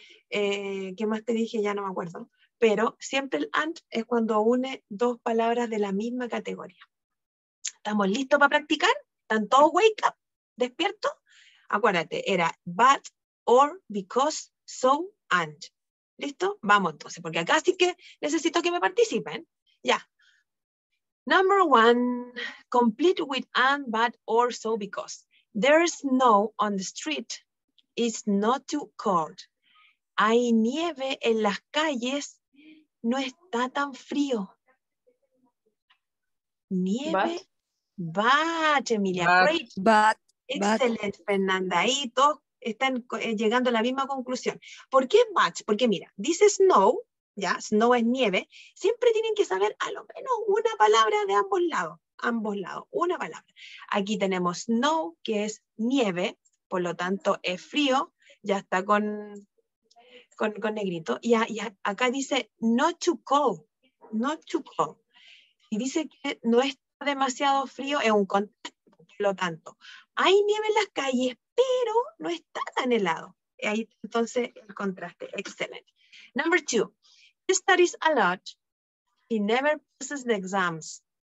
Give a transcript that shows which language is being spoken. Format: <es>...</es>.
<es>¿Qué más te dije? Ya no me acuerdo. Pero siempre el and es cuando une dos palabras de la misma categoría. ¿Estamos listos para practicar? ¿Están todos</es> <en>wake up?</en> <es>¿Despierto? Acuérdate, era but, or, because, so, and. ¿Listo? Vamos entonces, porque acá sí que necesito que me participen. Ya.</es> <en>Number one, complete with and, but, or, so, because. There is snow on the street. It's not too cold.</en> <es>Hay nieve en las calles. No está tan frío.</es> <en>Nieve. But, Emilia, great. But, excellent, but. Fernanda.</en> <es>Ahí todos están llegando a la misma conclusión. ¿Por qué but? Porque mira, dice snow, ya, snow es nieve. Siempre tienen que saber a lo menos una palabra de ambos lados. Ambos lados, una palabra. Aquí tenemos snow, que es nieve, por lo tanto es frío. Ya está con negrito. Y acá dice</es> <en>not too cold, not too cold.</en> <es>Y dice que no es demasiado frío, es un contexto, por lo tanto, hay nieve en las calles, pero no está tan helado. Y ahí entonces el contraste, excelente.</es> <en>Number two, he studies a lot, he never passes the exams.</en>